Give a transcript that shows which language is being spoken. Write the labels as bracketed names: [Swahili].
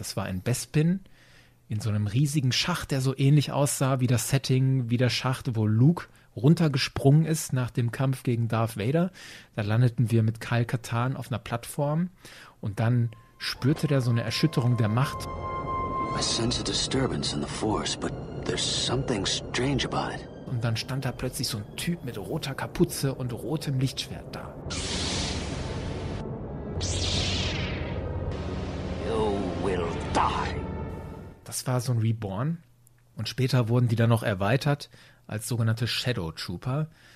[German] Das war in Bespin, in so einem riesigen Schacht, der so ähnlich aussah wie das Setting, wie der Schacht, wo Luke runtergesprungen ist nach dem Kampf gegen Darth Vader. Da landeten wir mit Kyle Katarn auf einer Plattform und dann spürte der so eine Erschütterung der Macht. [English] I sense a disturbance in the force, but there's something strange about it. [German] Und dann stand da plötzlich so ein Typ mit roter Kapuze und rotem Lichtschwert da. [English] You will die. [German] Das war so ein Reborn. Und später wurden die dann noch erweitert als sogenannte Shadow Trooper.